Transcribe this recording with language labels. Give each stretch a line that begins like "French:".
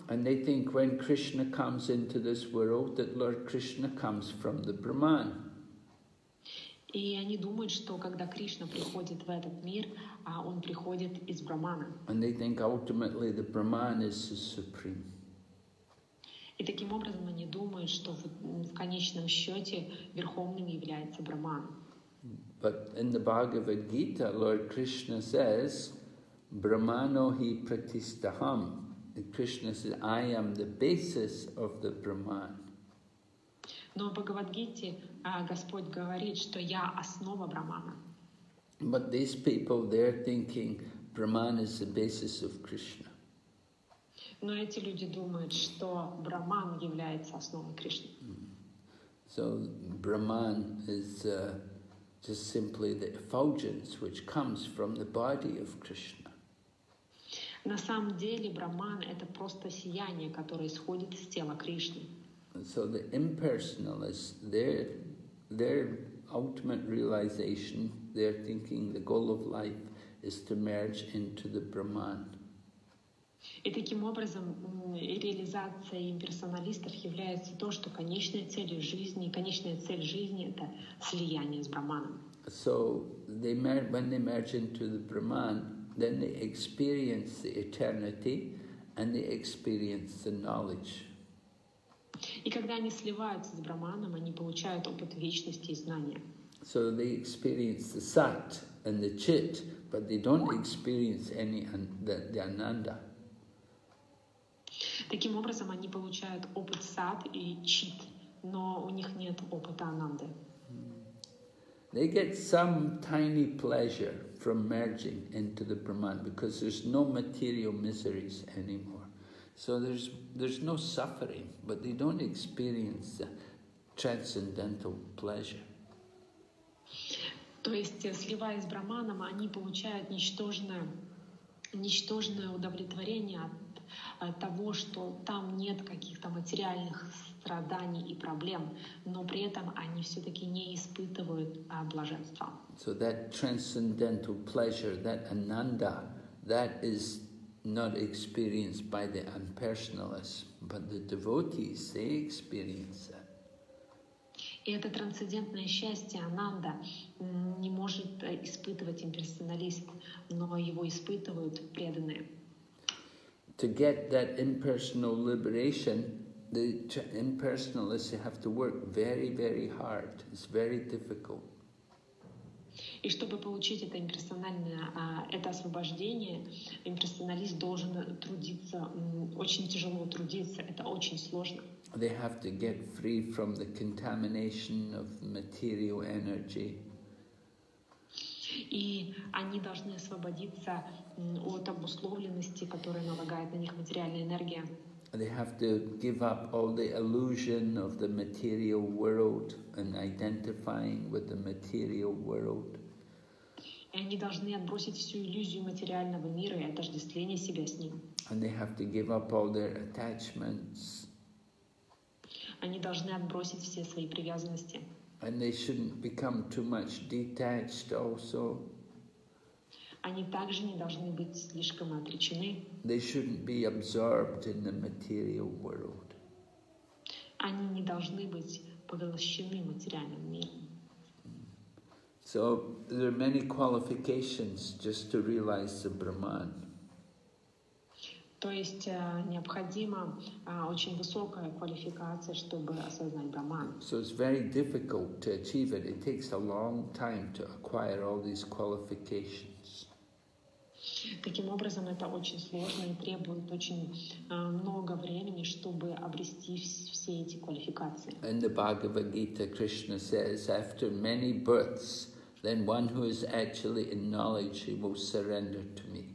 English: And they think when Krishna comes into this world that Lord Krishna comes from the Brahman.
Russian: И они думают, что когда Кришна приходит в этот мир, он приходит из Брахмана.
English: And they think ultimately the Brahman is the supreme.
Russian: И таким образом они думают, что в конечном счете верховным является Брахман.
English: But in the Bhagavad Gita, Lord Krishna says,
Sanskrit: Brahmano hi pratistaham.
English: Krishna says, I am the basis of the Brahman.
Russian: Но в Бхагавад-гите Господь говорит, что я основа Брахмана.
English: But these people, they're thinking Brahman is the basis of Krishna.
Russian: Но эти люди думают, что Брахман является основой Кришны. Mm-hmm.
English: So Brahman is just simply the effulgence which comes from the body of Krishna.
Russian: На самом деле Брахман — это просто сияние, которое исходит из тела Кришны.
English: So the impersonalists, their ultimate realization, they're thinking the goal of life is to merge into the Brahman.
Russian: И таким образом реализация имперсоналистов является то, что конечная цель жизни, это слияние с Брахманом.
English: So they when they merge into the Brahman, then they experience the eternity and they experience the knowledge.
Russian: И когда они сливаются с Браманом, они получают опыт вечности и знания.
English: So they experience the sat and the chit, but they don't experience any the ananda.
Russian: Таким образом, они получают опыт сат и чит, но у них нет опыта ананды.
English: They get some tiny pleasure from merging into the Brahman because there's no material miseries anymore. So there's no suffering, but they don't experience the transcendental pleasure.
Russian: То есть, сливаясь с Браманом, они получают ничтожное удовлетворение от того, что там нет каких-то материальных страданий и проблем, но при этом они все-таки не испытывают блаженства.
English: So that transcendental pleasure, that ananda, that is not experienced by the impersonalists, but the devotees, they experience that.
Russian: И это трансцендентное счастье, ананда, не может испытывать имперсоналист, но его испытывают преданные.
English: To get that impersonal liberation, the impersonalists have to work very, very hard. It's very difficult.
Russian: И чтобы получить это имперсональное, это освобождение, имперсоналист должен трудиться, очень тяжело трудиться, это очень сложно.
English: They have to get free from the contamination of material energy.
Russian: И они должны освободиться от обусловленности, которая налагает на них материальная энергия.
English: They have to give up all the illusion of the material world and identifying with the material world.
Russian: И они должны отбросить всю иллюзию материального мира и отождествление себя с ним.
English: And they have to give up all their attachments.
Russian: Они должны отбросить все свои привязанности.
English: And they shouldn't become too much detached also.
Russian: Они также не должны быть слишком отречены.
English: They shouldn't be absorbed in the material world.
Russian: Они не должны быть поглощены материальным миром.
English: So there are many qualifications just to realize the Brahman.
Russian: То есть необходима очень высокая квалификация, чтобы осознать Браман.
English: So it's very difficult to achieve it. It takes a long time to acquire all these qualifications.
Russian: Таким образом, это очень сложно и требует очень много времени, чтобы обрести все эти квалификации.
English: In the Bhagavad Gita, Krishna says, after many births, then one who is actually in knowledge, he will surrender to me.